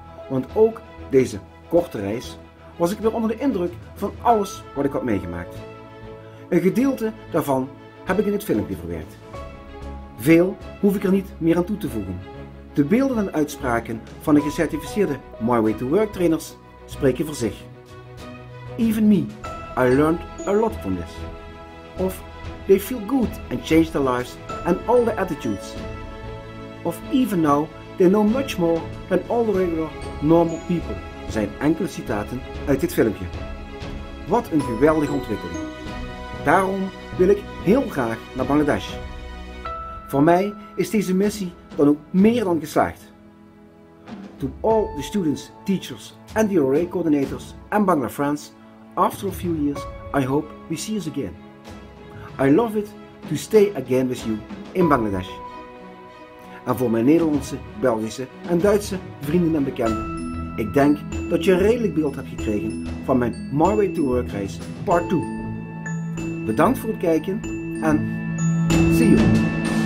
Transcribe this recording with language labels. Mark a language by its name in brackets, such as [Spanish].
[Dutch] Want ook deze korte reis was ik weer onder de indruk van alles wat ik had meegemaakt. Een gedeelte daarvan heb ik in het filmpje verwerkt. Veel hoef ik er niet meer aan toe te voegen. De beelden en uitspraken van de gecertificeerde My Way to Work trainers spreken voor zich. [English] Even me, I learned a lot from this. Of they feel good and change their lives and all their attitudes. Of even now, they know much more than all the regular normal people, [Dutch] zijn enkele citaten uit dit filmpje. Wat een geweldige ontwikkeling. Daarom wil ik heel graag naar Bangladesh. Voor mij is deze missie dan ook meer dan geslaagd. [English] To all the students, teachers and the RA coordinators and Bangla friends, after a few years, I hope we see us again. I love it to stay again with you in Bangladesh. [Dutch] En voor mijn Nederlandse, Belgische en Duitse vrienden en bekenden, ik denk dat je een redelijk beeld hebt gekregen van mijn My Way to Work reis part 2. Bedankt voor het kijken en [English] see you!